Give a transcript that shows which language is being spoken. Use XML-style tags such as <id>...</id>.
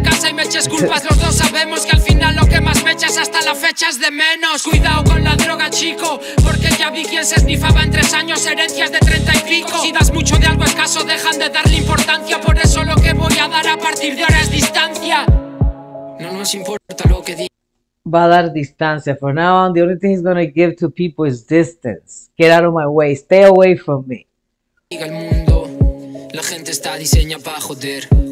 <es>Y me eches culpas, los dos sabemos que al final lo que más me echas hasta la fecha es de menos. Cuidado con la droga, chico, porque ya vi quién se esnifaba en 3 años, herencias de 30 y pico. Si das mucho de algo escaso, dejan de darle importancia. Por eso lo que voy a dar a partir de ahora es distancia. No nos importa lo que digan. Va a dar distancia.</es> <en>From now on, the only thing he's gonna give to people is distance. Get out of my way. Stay away from me.</en> <es>Diga el mundo, la gente está diseñada para joder.</es>